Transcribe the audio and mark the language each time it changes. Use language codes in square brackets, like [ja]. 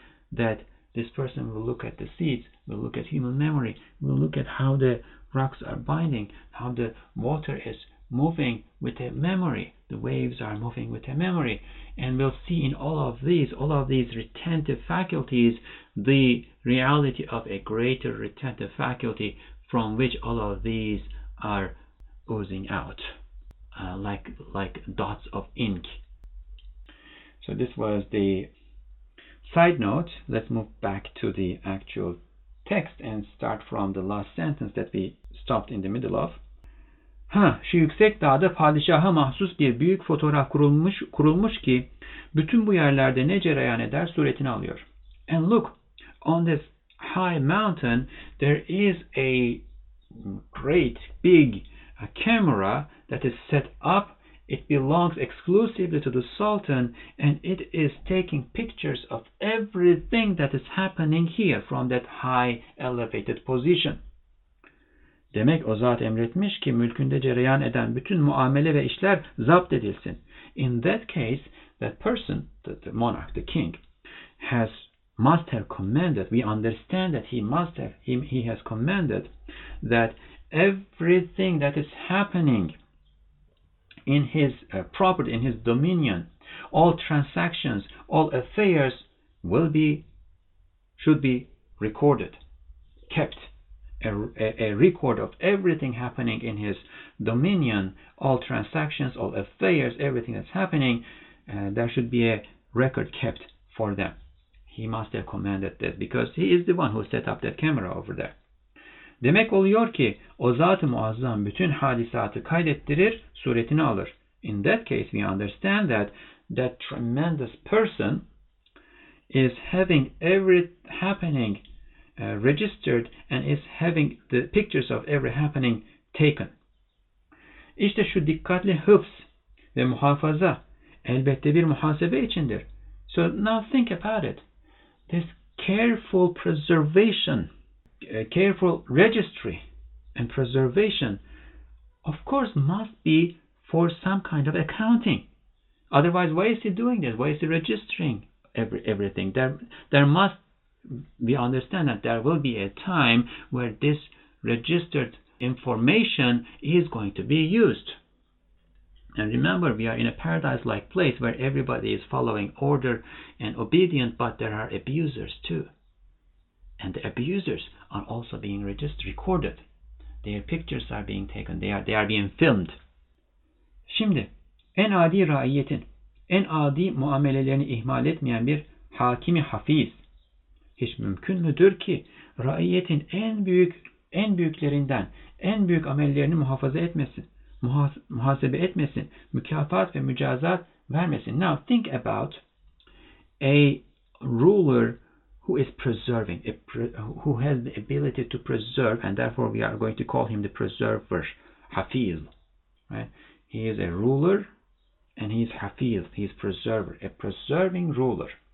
[en] that this person will look at the seeds, will look at human memory, will look at how the rocks are binding, how the water is moving with a memory, the waves are moving with a memory, and will see in all of these retentive faculties, the reality of a greater retentive faculty from which all of these are oozing out like dots of ink. So So this was the side note. Let's move back to the actual text and start from the last sentence that we stopped in the middle of. [tr] Ha, şu yüksek dağda padişaha mahsus bir büyük fotoğraf kurulmuş ki bütün bu yerlerde ne cereyan eder suretini alıyor. [en] And look, on this high mountain there is a great big camera that is set up. It belongs exclusively to the Sultan and it is taking pictures of everything that is happening here from that high elevated position. [tr] Demek o zat emretmiş ki mülkünde cereyan eden bütün muamele ve işler zapt edilsin. [en] In that case, that person, the monarch, the king, must have commanded, we understand that he has commanded that everything that is happening in his property, in his dominion, all transactions, all affairs should be recorded, kept. A record of everything happening in his dominion, all transactions, all affairs, everything that's happening, there should be a record kept for them. He must have commanded that because he is the one who set up that camera over there. [tr] Demek oluyor ki o zat-ı muazzam bütün hadisatı kaydettirir, suretini alır. [en] In that case, we understand that tremendous person is having every happening registered and is having the pictures of every happening taken. [tr] İşte şu dikkatli hıfz ve muhafaza elbette bir muhasebe içindir. [en] So now think about it. This careful preservation, careful registry and preservation, of course, must be for some kind of accounting. Otherwise, why is he doing this? Why is he registering everything? There must, we understand that there will be a time where this registered information is going to be used. And remember, we are in a paradise-like place where everybody is following order and obedient, but there are abusers too. And the abusers are also being registered, recorded. Their pictures are being taken. They are being filmed. [tr] Şimdi, en adi raiyetin, en adi muamelelerini ihmal etmeyen bir hakimi hafiz. Hiç mümkün müdür ki raiyetin en büyüklerinden, en büyük amellerini muhafaza etmesin, muhasebe etmesin, mükafat ve mücazat vermesin. [en] Now think about a ruler who is preserving, who has the ability to preserve, and therefore we are going to call him the preserver, hafiz. Right? He is a ruler and he is hafiz, he is preserver, a preserving ruler.